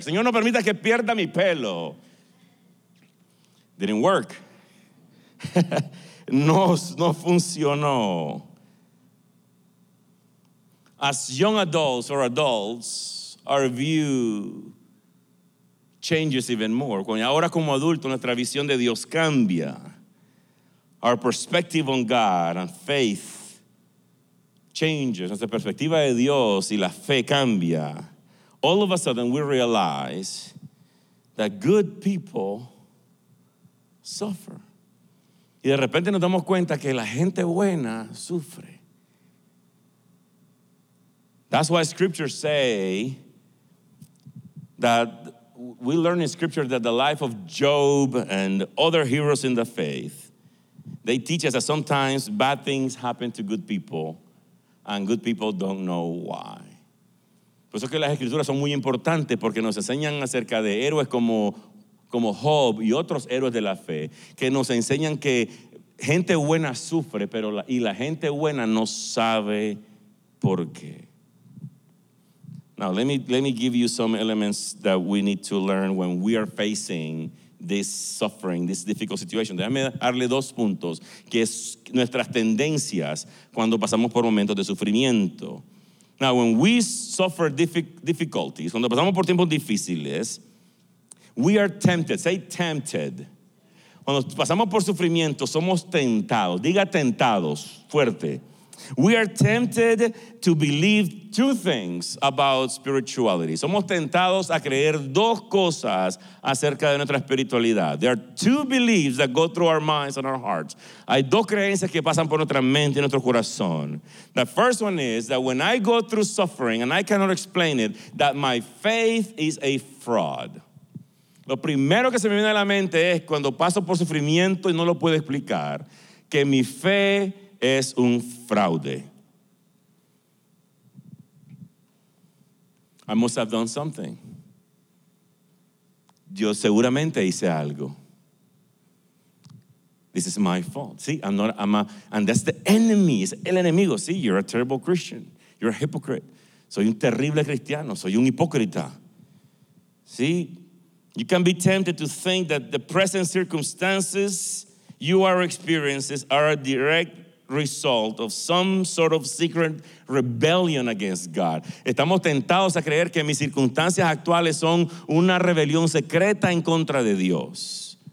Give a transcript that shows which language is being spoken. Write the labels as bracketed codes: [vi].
[es] Señor, no permita que pierda mi pelo. [en] Didn't work. [es] No funcionó. [en] As young adults or adults, our view changes even more. [es] Ahora como adulto, nuestra visión de Dios cambia. [en] Our perspective on God and faith changes. [es] Nuestra perspectiva de Dios y la fe cambia. [en] All of a sudden, we realize that good people suffer. [es] Y de repente nos damos cuenta que la gente buena sufre. [en] That's why scriptures say that we learn in scripture that the life of Job and other heroes in the faith, they teach us that sometimes bad things happen to good people and good people don't know why. [es] Por eso que las escrituras son muy importantes porque nos enseñan acerca de héroes como Job y otros héroes de la fe, que nos enseñan que gente buena sufre y la gente buena no sabe por qué. [en] Now, let me give you some elements that we need to learn when we are facing this suffering, this difficult situation. [es] Déjame darle dos puntos, que es nuestras tendencias cuando pasamos por momentos de sufrimiento. [en] Now, when we suffer difficulties, [es] cuando pasamos por tiempos difíciles, [en] we are tempted. Say tempted. [es] Cuando pasamos por sufrimiento, somos tentados. Diga tentados, fuerte. [en] We are tempted to believe two things about spirituality. [es] Somos tentados a creer dos cosas acerca de nuestra espiritualidad. [en] There are two beliefs that go through our minds and our hearts. [es] Hay dos creencias que pasan por nuestra mente y nuestro corazón. [en] The first one is that when I go through suffering and I cannot explain it, that my faith is a fraud. [es] Lo primero que se me viene a la mente es cuando paso por sufrimiento y no lo puedo explicar, que mi fe es un fraude. [en] I must have done something. [es] Yo seguramente hice algo. [en] This is my fault. See, and that's the enemy. [es] Es el enemigo. [en] See, you're a terrible Christian. You're a hypocrite. [es] Soy un terrible cristiano. Soy un hipócrita. [en] See, you can be tempted to think that the present circumstances you are experiencing are a direct result of some sort of secret rebellion against God. [es] Estamos tentados a creer que mis circunstancias actuales son una rebelión secreta en contra de Dios.